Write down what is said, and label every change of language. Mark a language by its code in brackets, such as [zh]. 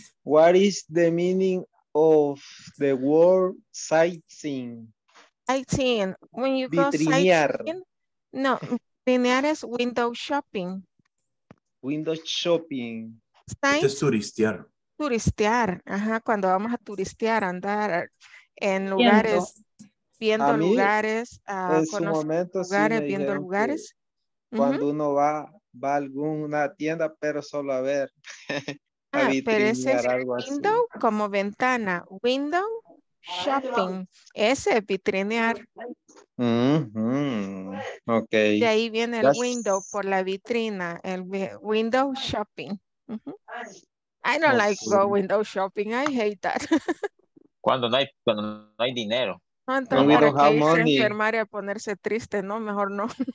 [en] What is the meaning of the word sightseeing? 18. When you go sightseeing, no, linear is window shopping. Window shopping. [es] Sight, es turistear. Turistear, ajá, cuando vamos a turistear, andar en lugares, viendo lugares, viendo lugares. Cuando uno va a alguna tienda, pero solo a ver. A pero ese es window así. Como ventana, window shopping, ese es vitrinear. Mm-hmm. Okay. De ahí viene el window por la vitrina, el window shopping. Mm-hmm. [en] I don't like go window shopping, I hate that. [es] cuando no hay dinero. [en] No, we don't have money. [es] Enfermar y a ponerse triste, no, mejor no.